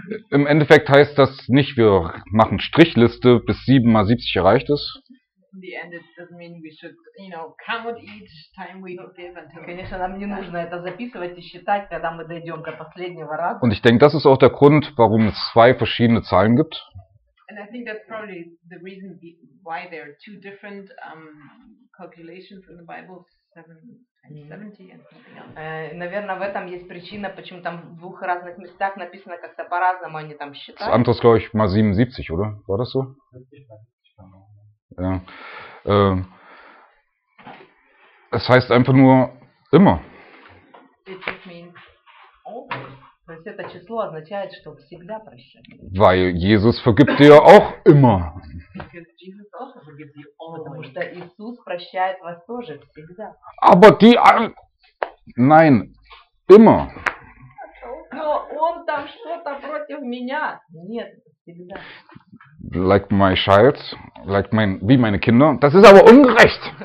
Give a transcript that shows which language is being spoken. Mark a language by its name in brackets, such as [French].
[German] Im Endeffekt heißt das nicht, wir machen Strichliste, bis 7 mal 70 erreicht ist. [English] In the end, it doesn't mean we should, you know, count each time we give until. [Russian] Конечно, нам не нужно это записывать и считать, когда мы дойдем до последнего раза. [German] Und ich denke, das ist auch der Grund, warum es zwei verschiedene Zahlen gibt. [English] And I think that's probably the reason why there are two different calculations in the Bible, 70 and something else. [Russian] Наверное, в этом есть причина, почему там в двух разных местах написано как-то по-разному, они там считают. [German] Das andere ist, glaube ich, mal 77, oder? War das so? Ja. Es heißt einfach nur immer. [English] It just means always. [Russian] То есть это число означает, что всегда прощает. [German] Weil Jesus vergibt dir auch immer. [English] Because Jesus also forgives you always. [Russian] Потому что Иисус прощает вас тоже всегда. [German] Aber die... Nein, immer. [Russian] Но он там что-то против меня. Нет, всегда. [English] Like my child, like [German] mein, wie meine Kinder. Das ist aber ungerecht.